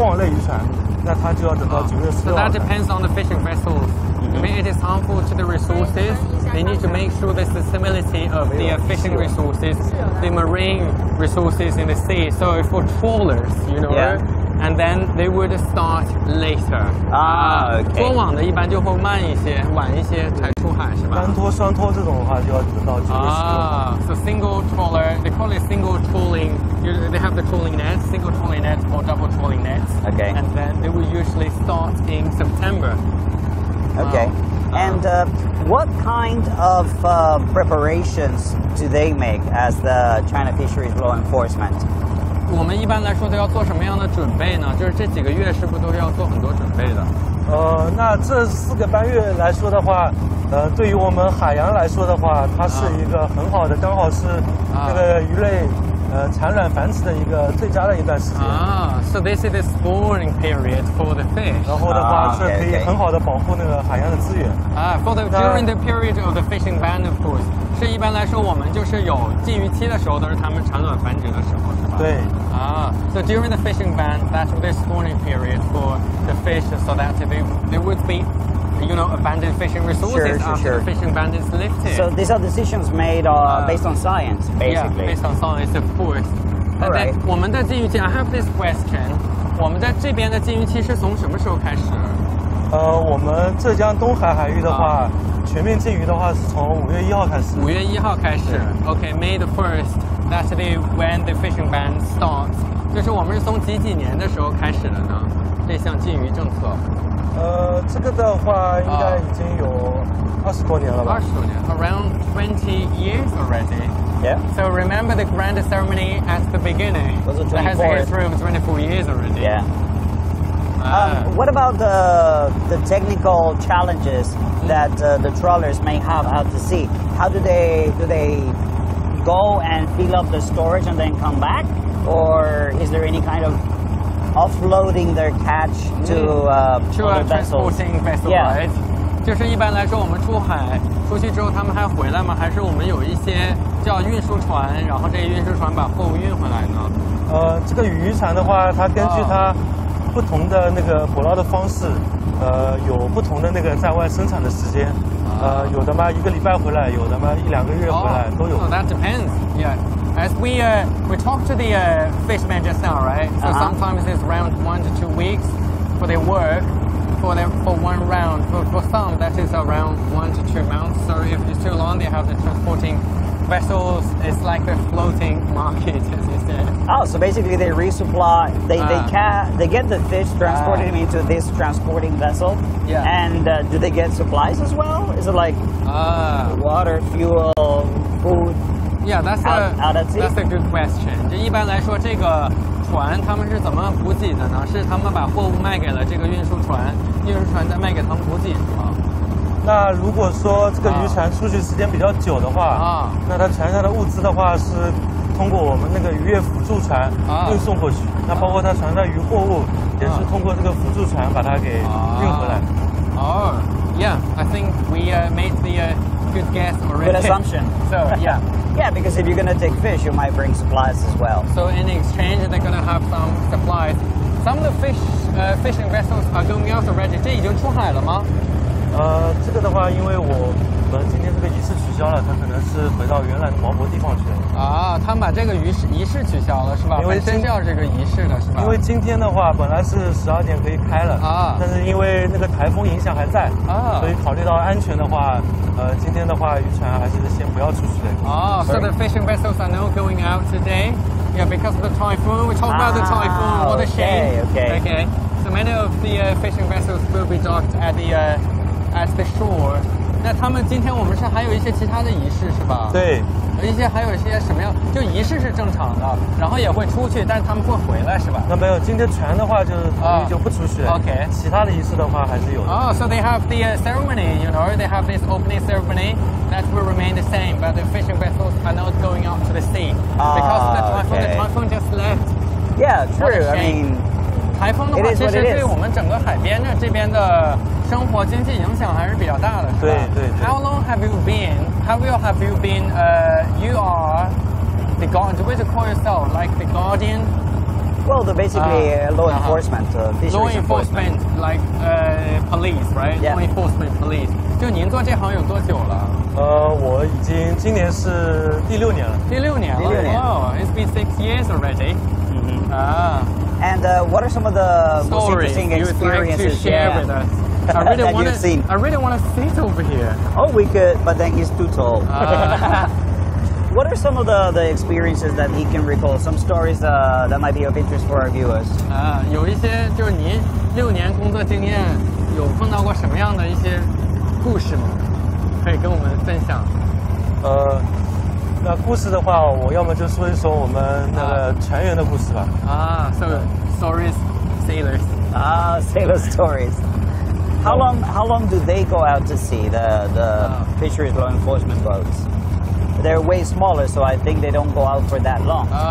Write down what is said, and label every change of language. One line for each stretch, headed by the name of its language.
Chinese: 为什么我们有两轮呢？为什么有一些船可以8月份就直接可以先走了？这个的话是针对它不同渔船的话有不同的那个作业方式。那个不同的作业方式呢，是因为它对资源的那个损害性不一样。就是比如说它对资源损害性大一点的那种拖网类渔船，那它就要等到9月4号。
English: So that depends on the fishing vessels. Mm-hmm. It is harmful to the resources. They need to make sure the stability of the fishing resources, the marine resources in the sea. So for trawlers, you know, yeah. and then they would start later. Okay.
Chinese: 过往的一般就会慢一些，晚一些才出海，是吧？单拖、双拖这种的话，就要等到几个时候。
English: So single trawler, they call it single trawling. They have the trawling net, single trawling net or double trawling net. Okay. And then they will usually start in September. Okay. And what kind of preparations do they make as the China Fisheries Law Enforcement?
Chinese: 我们一般来说都要做什么样的准备呢？就是这几个月是不是都要做很多准备的？那这四个半月来说的话，对于我们海洋来说的话，它是一个很好的，刚好是这个鱼类产卵繁殖的一个最佳的一段时间。
English: So this is the spawning period for the fish.
Chinese: 然后的话是可以很好的保护那个海洋的资源。
English: During the period of the fishing ban, of course,
Chinese: 是一般来说我们就是有禁渔期的时候，都是它们产卵繁殖的时候，是吧？对。
English: So during the fishing ban, that's the spawning period for the fish, so that they would be. You know, abandoned fishing resources sure, sure, after sure. the fishing ban is lifted. So these are decisions made based on science, basically. Yeah, based on science, of course. All right.
Chinese: 我们的禁渔期
English: I have this question.
Chinese: 我们在这边的禁渔期是从什么时候开始？我们浙江东海海域的话，全面禁渔的话是从五月一号开始。五月一号开始。
English: Okay, May the 1st. That's the when the fishing ban starts.
Chinese: 就是我们是从几几年的时候开始的呢？这项禁渔政策。这个的话应该已经有20多年了吧？ 20多年
English: ，around 20 years already. Yeah. So remember the grand ceremony at the beginning. That has a history of 24 years already. Yeah. What about the technical challenges that the trawlers may have out to sea? How do they go and fill up the storage and then come back, or is there any kind ofoffloading their catch to transporting vessel, yeah. right?
Chinese: 就是一般来说我们出海出去之后他们还回来吗还是我们有一些叫运输船然后这运输船把货物运回来呢这个渔船的话它根据它不同的那个捕捞的方式有不同的那个在外生产的时间有的嘛一个礼拜回来有的嘛一两个月回来都有
English: So that depends, yeah. As we talked to the fishermen just now, right? So sometimes it's around 1 to 2 weeks for their work, for one round. For some, that is around 1 to 2 months. So if it's too long, they have the transporting vessels. It's like a floating market, as you said. Oh, so basically they resupply. They get the fish, transport them into this transporting vessel. Yeah. And do they get supplies as well? Is it like water, fuel, food? Yeah, that's a good question.
Chinese: 就一般来说，这个船他们是怎么补给的呢？是他们把货物卖给了这个运输船，运输船再卖给他们补给，是吗？那如果说这个渔船出去时间比较久的话，那它船上的物资的话是通过我们那个渔业辅助船运送过去。那包括它船上渔货物也是通过这个辅助船把它给运回来。
English: Yeah, I think we made the good guess already. Good assumption. So, yeah. Yeah, because if you're going to take fish, you might bring supplies as well. So in exchange, they're going to have some supplies. Some of the fishing vessels are going out already.
Chinese: 这已经出海了吗？这个的话，因为我们今天这个仪式取消了，它可能是回到原来的锚泊地方去了。他们把这个仪式取消了是吧？因为本身是要这个仪式的是吧？因为今天的话，本来是12点可以开了但是因为那个台风影响还在所以考虑到安全的话。今天的话，渔船还是先不要出去。
English: So the fishing vessels are not going out today. Yeah, because of the typhoon. We talk about the typhoon. What a shame. Okay. So many of the fishing vessels will be docked at the shore.
Chinese: 那他们今天我们是还有一些其他的仪式是吧？对。一些还有一些什么样？就仪式是正常的，然后也会出去，但是他们会回来是吧？那没有，今天船的话就就不出去。
English: OK。
Chinese: 其他的仪式的话还是有的。
English: So they have the ceremony, you know, they have this opening ceremony that will remain the same, but the fishing vessels are not going out to the sea because the typhoon just left. Yeah, true. I mean.
Chinese: 台风的话，其实对我们整个海边的这边的生活经济影响还是比较大的，是吧？对。
English: How long have you been? How long have you been? You are the guardian. What do you call yourself? Like the guardian? Well, they're basically law enforcement. Law enforcement, like police, right? Yeah. Law enforcement police.
Chinese: 就您做这行有多久了？我已经今年是第六年了。第六年了。第六年。
English: Oh, it's been 6 years already. And what are some of the stories most interesting experiences you would like to share with us? I really want to sit over here. Oh, we could, but then he's too tall. What are some of the experiences that he can recall? Some stories that might be of interest for our viewers.
Chinese: 有一些就是您六年工作经验有碰到过什么样的一些故事吗？可以跟我们分享。那故事的话，我要么就说一说我们那个船员的故事吧。
English: So stories, sailors. Sailor stories. How long do they go out to sea? The fisheries law enforcement boats. They're way smaller, so I think they don't go out for that long.